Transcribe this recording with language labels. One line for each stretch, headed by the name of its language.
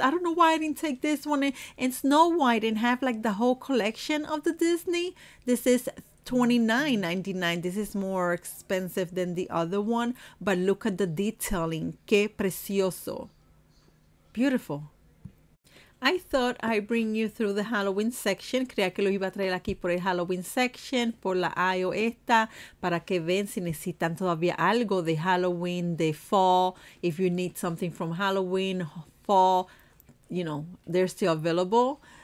English: I don't know why I didn't take this one and Snow White and have like the whole collection of the Disney. This is $29.99. This is more expensive than the other one. But look at the detailing.
Spanish: Qué precioso.
English: Beautiful. I thought I'd bring you through the Halloween section.
Spanish: Creía que los iba a traer aquí por el
English: Halloween section,
Spanish: por la aisle esta, para que ven si necesitan todavía algo de Halloween, de fall.
English: If you need something from Halloween, fall, you know, they're still available.